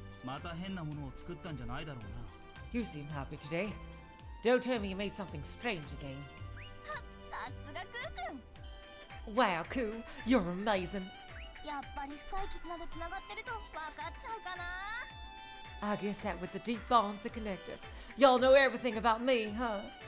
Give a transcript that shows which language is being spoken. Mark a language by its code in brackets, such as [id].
[ja] やけにご機嫌だな。また変なものを作ったんじゃないだろうな。 [en] You seem happy today. Don't tell me you made something strange again. [ja] さすがクー君! [en] Wow, Koo, you're amazing. [ja] やっぱり深い絆で繋がってると分かっちゃうかな? [en] I guess that with the deep bonds that connect us, y'all know everything about me, huh?